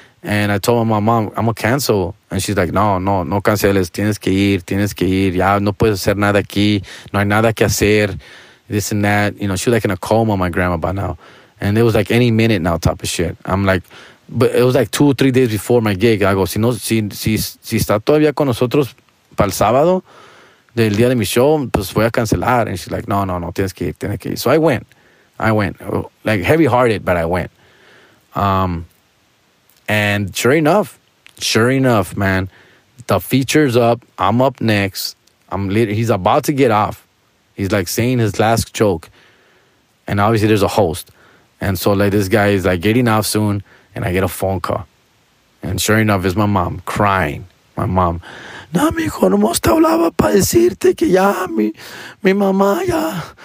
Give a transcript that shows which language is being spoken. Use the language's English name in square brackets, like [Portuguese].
[English] And I told my mom, I'm going to cancel. And she's like, [Spanish] no canceles. Tienes que ir. Ya no puedes hacer nada aquí. No hay nada que hacer. [English] This and that. You know, she was like in a coma, my grandma, by now. And it was like any minute now type of shit. I'm like, but it was like 2 or 3 days before my gig. I go, [Spanish] si está todavía con nosotros para el sábado del día de mi show, pues voy a cancelar. [English] And she's like, [Spanish] no, tienes que ir. [English] So I went. Like, heavy-hearted, but I went. And sure enough, man, the feature's up. I'm up next. He's about to get off. He's, like, saying his last joke. And obviously, there's a host. And so, like, this guy is, like, getting off soon, and I get a phone call. And sure enough, it's my mom crying. My mom, [Spanish] no, mijo, nomás te hablaba para decirte que ya mi mamá ya...